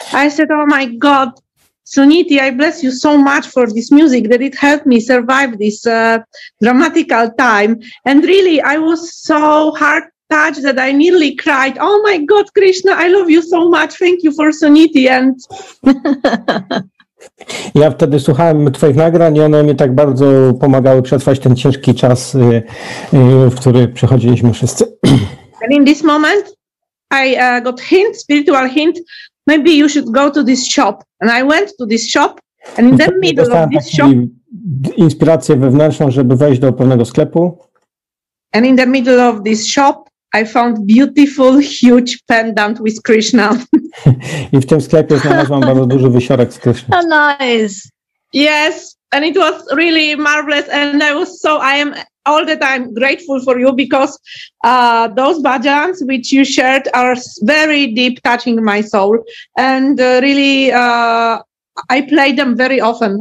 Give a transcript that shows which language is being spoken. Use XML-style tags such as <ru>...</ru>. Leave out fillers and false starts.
<en>I said, oh my God, Suniti, I bless you so much for this music that it helped me survive this dramatical time. And really, I was so heart touched that I nearly cried. Oh my God, Krishna, I love you so much. Thank you for Suniti. And</en> <pl>ja wtedy słuchałem twoich nagrań i one mi tak bardzo pomagały przetrwać ten ciężki czas, w który przechodziliśmy wszyscy.</pl> <en>And in this moment I got hint, spiritual hint, maybe you should go to this shop. And I went to this shop and in the middle of this shop...</en> <pl>Inspirację wewnętrzną, żeby wejść do pewnego sklepu.</pl> <en>And in the middle of this shop I found beautiful, huge pendant with Krishna.</en> <pl>I w tym sklepie znalazłam bardzo duży wisiorek z Krishna.</pl> <en>Oh, nice. Yes, and it was really marvelous. And I was so, I am all the time grateful for you because those bhajans which you shared are very deep, touching my soul. And really, I play them very often.</en>